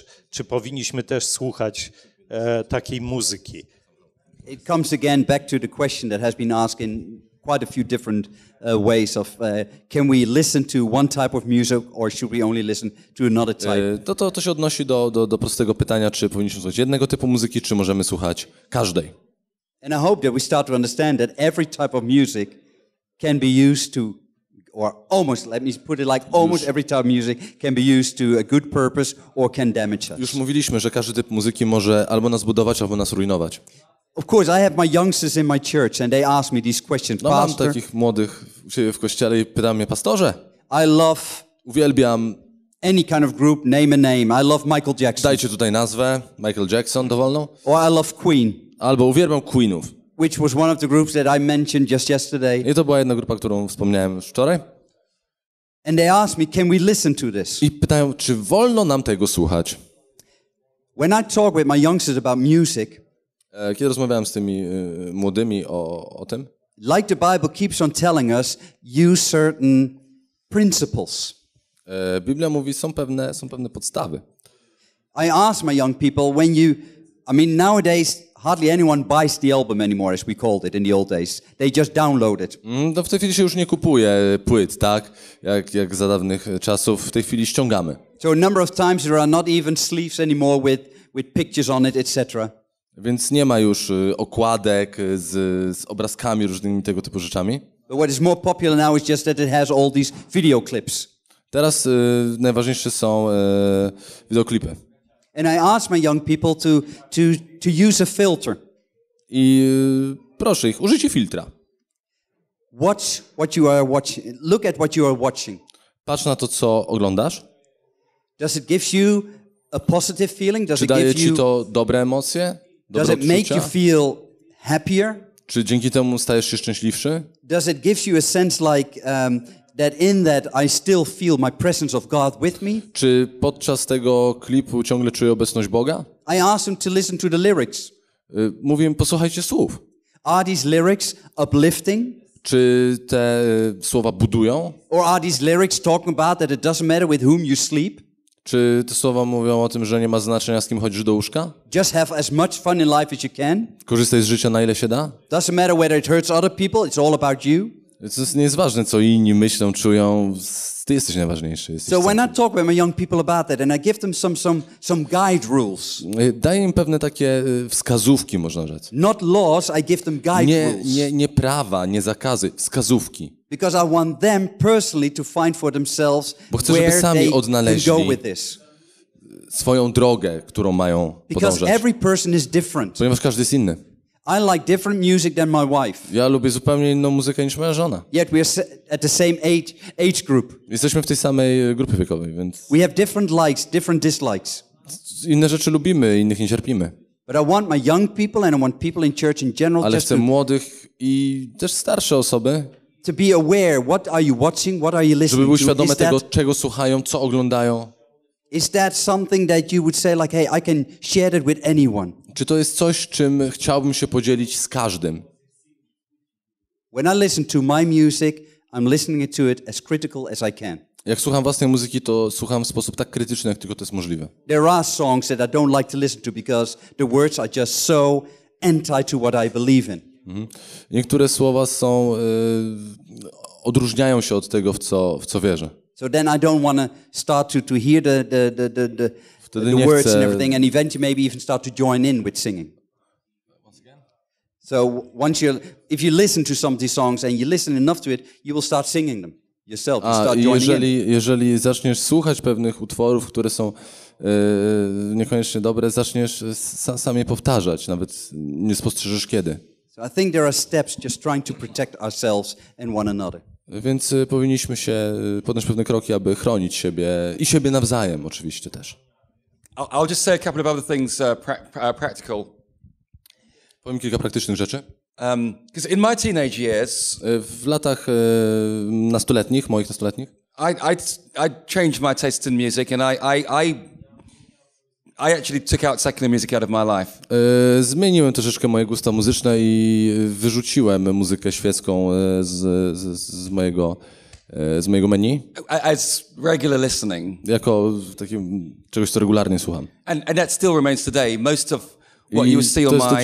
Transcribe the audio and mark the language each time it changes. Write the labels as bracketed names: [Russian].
[Polish] Czy powinniśmy też słuchać takiej muzyki? [English] It comes again back to the question that has been asked in quite a few different ways of can we listen to one type of music or should we only listen to another type? [Polish] To się odnosi do prostego pytania, czy powinniśmy słuchać jednego typu muzyki, czy możemy słuchać każdej? [English] And I hope that we start to understand that every type of music can be used to or almost, let me put it like, almost [Polish] już [English] every type of music can be used to a good purpose or can damage us. [Polish] Już mówiliśmy, że każdy typ muzyki może albo nas budować, albo nas rujnować. [English] Of course, I have my youngsters in my church and they ask me these questions. [Polish] No, mam takich młodych u siebie w kościele i pytam mnie, pastorze, [English] I love [Polish] uwielbiam [English] Any kind of group, name a name. I love Michael Jackson. [Polish] Dajcie tutaj nazwę, Michael Jackson, dowolną. [English] Or I love Queen. [Polish] Albo uwielbiam Queenów. [English] Which was one of the groups that I mentioned just yesterday. [Polish] I to była jedna grupa, którą wspomniałem wczoraj. [English] And they asked me, can we listen to this? [Polish] I pytają, czy wolno nam tego słuchać? [English] When I talk with my youngsters about music, [Polish] kiedy rozmawiałem z tymi młodymi o tym, [English] like the Bible keeps on telling us, use certain principles. [Polish] Biblia mówi, są pewne podstawy. [English] I ask my young people, nowadays hardly anyone buys the album anymore, as we called it in the old days. They just download it. [Polish] No w tej chwili się już nie kupuje płyt, tak? Jak za dawnych czasów, w tej chwili ściągamy. [English] So a number of times there are not even sleeves anymore with pictures on it, etc. [Polish] Więc nie ma już okładek z obrazkami różnymi tego typu rzeczami. [English] But what is more popular now is just that it has all these video clips. [Polish] Teraz najważniejsze są wideoklipy. [English] And I ask my young people to use a filter. [Polish] I proszę ich, użyjcie filtra. [English] Watch what you are watching. Look at what you are watching. [Polish] Patrz na to, co oglądasz. [English] Does it give you a positive feeling? [Polish] Czy daje ci to dobre emocje? [English] Does it make you feel happier? [Polish] Czy dzięki temu stajesz się szczęśliwszy? [English] Does it give you a sense like that in that I still feel my presence of God with me? [Polish] Czy podczas tego klipu ciągle czuję obecność Boga? [English] I ask them to listen to the lyrics. [Polish] Mówię, posłuchajcie słów. [English] Are these lyrics uplifting? [Polish] Czy te słowa budują? [English] Or are these lyrics talking about that it doesn't matter with whom you sleep? [Polish] Czy te słowa mówią o tym, że nie ma znaczenia, z kim chodzisz do łóżka? [English] Just have as much fun in life as you can. [Polish] Korzystaj z życia na ile się da. [English] Doesn't matter whether it hurts other people, it's all about you. [Polish] To jest nieważne, co inni myślą, czują. Ty jesteś najważniejszy. [English] So when I talk with my young people about that and I give them some guide rules. [Polish] Daję im pewne takie wskazówki, można rzec. [English] Not laws, I give them guide rules. [Polish] Nie prawa, nie zakazy, wskazówki. [English] Because I want them personally to find for themselves where they can go with this. [Polish] Swoją drogę, którą mają podążać. [English] Because every person is different. [Polish] Ponieważ każdy jest inny. [English] I like different music than my wife. [Polish] Ja lubię zupełnie inną muzykę niż moja żona. [English] Yet we are at the same age group. [Polish] Jesteśmy w tej samej grupie wiekowej, więc. [English] We have different likes, different dislikes. [Polish] Inne rzeczy lubimy, innych nie cierpimy. [English] But I want my young people and I want people in church in general. [Polish] Ale chcę młodych i też starsze osoby. [English] To be aware, what are you watching, what are you listening to? [Polish] Żeby były świadome tego, czego słuchają, co oglądają. [English] Is that something that you would say like, hey, I can share it with anyone? [Polish] Czy to jest coś, czym chciałbym się podzielić z każdym? [English] When I listen to my music, I'm listening to it as critical as I can. [Polish] Jak słucham własnej muzyki, to słucham w sposób tak krytyczny, jak tylko to jest możliwe. [English] There are songs that I don't like to listen to because the words are just so anti to what I believe in. [Polish] Niektóre słowa są odróżniają się od tego, w co wierzę. [English] So then I don't want to start to hear the [Polish] wtedy [English] the words [Polish] chcę [English] and everything, and eventually maybe even start to join in with singing. Once again? So once you, if you listen to some of these songs and you listen enough to it, you will start singing them yourself. A, you start joining [Polish] jeżeli, [English] in. [Polish] Jeżeli zaczniesz słuchać pewnych utworów, które są niekoniecznie dobre, zaczniesz sam je powtarzać, nawet nie spostrzeżesz kiedy. [English] So I think there are steps just trying to protect ourselves and one another. [Polish] Więc powinniśmy się podjąć pewne kroki, aby chronić siebie i siebie nawzajem oczywiście też. [English] I'll just say a couple of other things practical. [Polish] Powiem kilka praktycznych rzeczy. [English] Because in my teenage years, [Polish] w latach nastoletnich, moich nastoletnich, [English] I changed my taste in music and I actually took out secular music out of my life. [Polish] Zmieniłem troszeczkę moje gusta muzyczne i wyrzuciłem muzykę świecką z mojego menu. [English] As regular listening. [Polish] Jako takim czegoś, co regularnie słucham. [English] And that still remains today. Most of what you see on my